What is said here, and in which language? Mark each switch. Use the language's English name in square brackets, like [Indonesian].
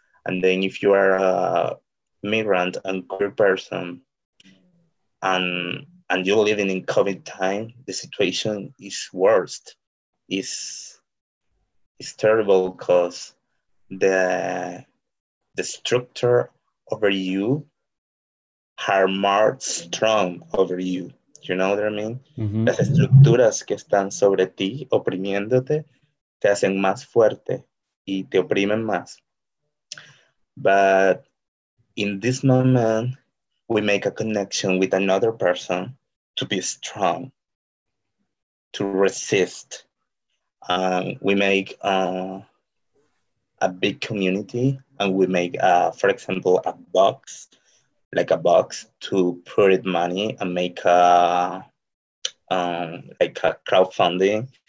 [English] And then if you are a migrant and queer person and you're living in COVID time, the situation is worst. It's terrible because the structure over you are marked strong over you. You know what I mean? Mm-hmm. [Spanish] Las estructuras que están sobre ti oprimiéndote te hacen más fuerte y te oprimen más. [English] But in this moment, we make a connection with another person to be strong, to resist. We make a big community, and we make, for example, a box, like a box to put it money and make a like a crowdfunding.